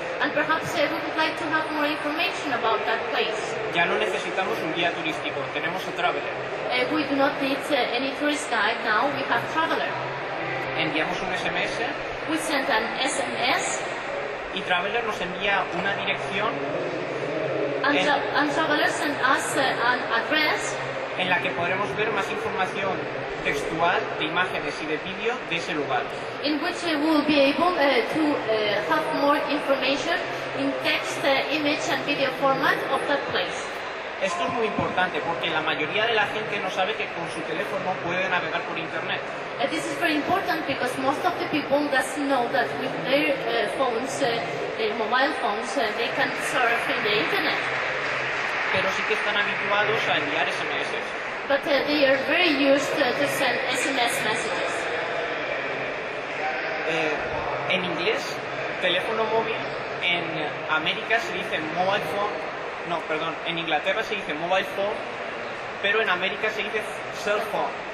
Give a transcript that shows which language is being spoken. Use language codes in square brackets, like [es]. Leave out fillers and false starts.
[en] And perhaps we would like to have more information about that place. [es] Ya no necesitamos un guía turístico, tenemos a traveler. [en] We do not need any tourist guide now, we have traveler. [es] Enviamos un SMS. [en] We send an SMS. [es] Y traveler nos envía una dirección. [en] And traveler send us an address. [es] En la que podremos ver más información textual, de imágenes y de vídeo de ese lugar. [en] In which we will be able to have more information in text, image and video format of that place. [es] Esto es muy importante porque la mayoría de la gente no sabe que con su teléfono puede navegar por internet. [en] This is very important because most of the people doesn't know that with their phones, their mobile phones, they can surf in the internet. [es] Pero sí que están habituados a enviar SMS. [en] But they are very used to send SMS messages. [es] En inglés, teléfono móvil, en América se dice mobile phone, no, perdón, en Inglaterra se dice mobile phone, pero en América se dice cell phone.